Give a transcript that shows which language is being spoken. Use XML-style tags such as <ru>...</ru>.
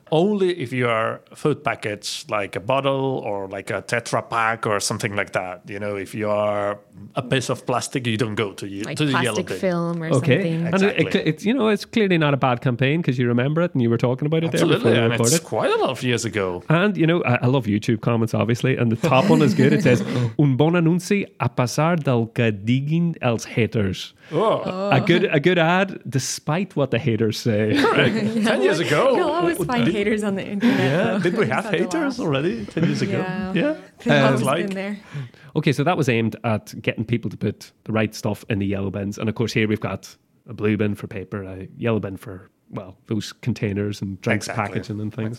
<en>Only if you are food package, like a bottle or like a Tetra Pak or something like that. You know, if you are a piece of plastic, you don't go to, like to the yellow bin. Film or something. Okay. Exactly. And it's clearly not a bad campaign because you remember it and you were talking about it. Absolutely, it's quite a lot of years ago. And, you know, I love YouTube comments, obviously. And the top one is good. It says,</en> <ca>un bon anunci a pasar del que diguin els haters.</ca> <en>Oh. A good ad, despite what the haters say. Right. Yeah. 10 years ago. You'll always find haters on the internet. Yeah. Did we have haters already 10 years ago? Yeah. Yeah. Like. Been there. Okay, so that was aimed at getting people to put the right stuff in the yellow bins. And of course, here we've got a blue bin for paper, a yellow bin for, well, those containers and drinks packaging and things.</en>